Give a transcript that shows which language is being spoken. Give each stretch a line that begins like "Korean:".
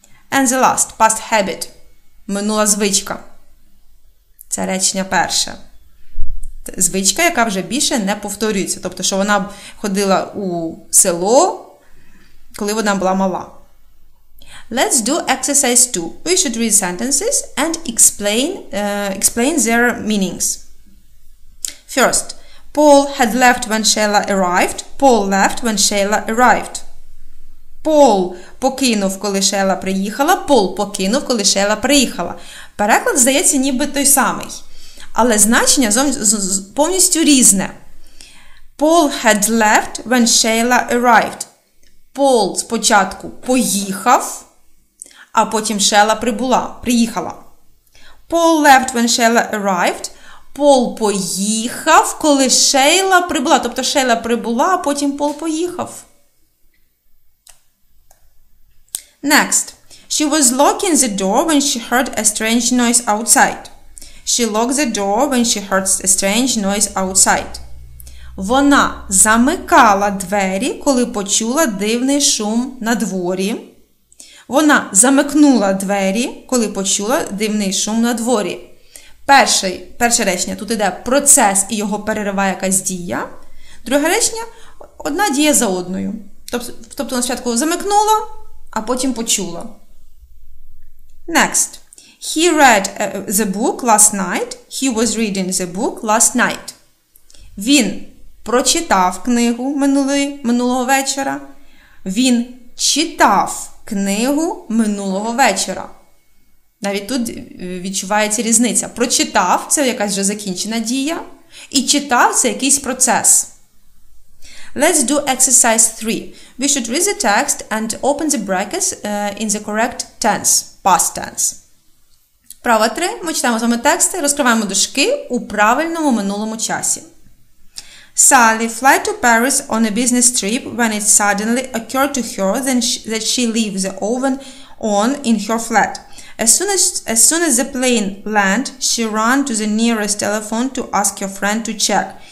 English: And the last, past habit.
Ukrainian: Минула звичка. Це речення перше. Звичка, яка вже більше не повторюється. Тобто, що вона ходила у село, коли вона була мала.
English: Let's do exercise 2. We should read sentences and explain their meanings. First, Paul had left when Sheila arrived. Paul left when Sheila arrived.
Ukrainian: Paul покинув, коли Sheila приїхала. Paul покинув, коли Sheila приїхала. Переклад здається ніби той самий, але значення повністю різне.
English: Paul had left when Sheila arrived.
Ukrainian: Paul спочатку поїхав, а потім Sheila прибула, приїхала.
English: Paul left when Sheila arrived.
Ukrainian: Paul поїхав, коли Sheila прибула. Тобто Sheila прибула, а потім Paul поїхав.
English: Next. She was locking the door when she heard a strange noise outside. She locked the door when she heard a strange noise outside.
Ukrainian: Вона замикала двері, коли почула дивний шум на дворі. Вона замикнула двері, коли почула дивний шум на дворі. Перше речення, тут йде процес і його перериває якась дія. Друге речення, одна дія за одною. Тобто, спочатку замикнула, а потім почула.
English: Next. He read the book last night. He was reading the book last night.
Ukrainian: Він прочитав книгу минулого вечора. Він читав книгу минулого вечора. Навіть тут відчувається різниця. Прочитав – це якась вже закінчена дія. І читав – це якийсь процес.
English: Let's do exercise 3. We should read the text and open the brackets in the correct tense, past tense.
Ukrainian: Право 3. Ми читаємо з вами тексти, розкриваємо дужки у правильному минулому часі.
English: Sally fled to Paris on a business trip when it suddenly occurred to her that she leave the oven on in her flat. As soon as the plane landed, she ran to the nearest telephone to ask her friend to check.